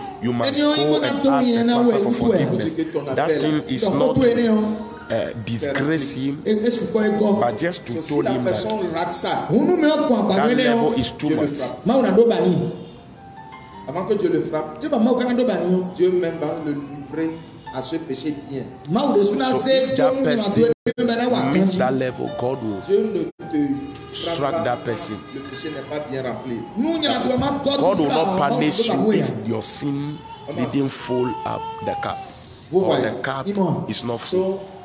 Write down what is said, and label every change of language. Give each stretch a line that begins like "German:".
English: You must go and ask the pastor for forgiveness. That thing is not disgrace him, but just to tell him that that level is too much.
French: Avant que Dieu le frappe, Dieu même va le livrer à ce péché bien.
English: So if that person meets that level, God will strike that person. God will not punish you if your sin didn't fill up the cup. Or the cup is not full.